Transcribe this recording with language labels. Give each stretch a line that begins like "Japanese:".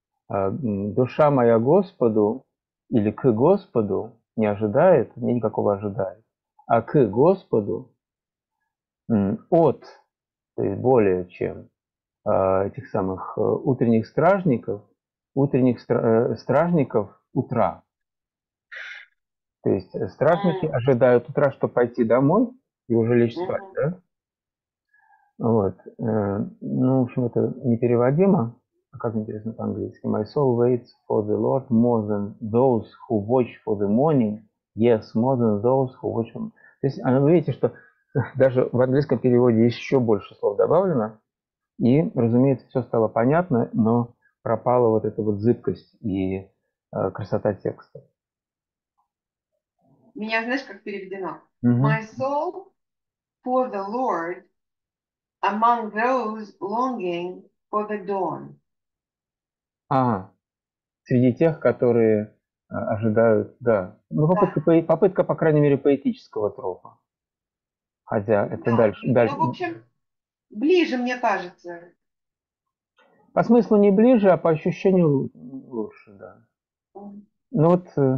Russian: Душа моя Господу или к Господу не ожидает, не никакого ожидает, а к Господу от, то есть более чем этих самых утренних стражников утра. То есть стражники ожидают утра, чтобы пойти домой и уже лечь спать, да? Вот. Ну, в общем, это непереводимо. А как интересно по-английски?
English: My soul waits for the Lord more than those who watch for the morning. Yes, more than those who watch for...
Russian: То есть, вы видите, что даже в английском переводе еще больше слов добавлено. И, разумеется, все стало понятно, но пропала вот эта вот зыбкость и красота текста. Меня, знаешь, как переведено?
English: My soul for the Lord among those longing for the dawn.
Russian: Ага. Среди тех, которые ожидают, да. Ну, попытка, по крайней мере, поэтического тропа. Хотя это дальше. Ну, в общем, ближе, мне кажется. По смыслу не ближе, а по ощущению лучше, да. Ну вот...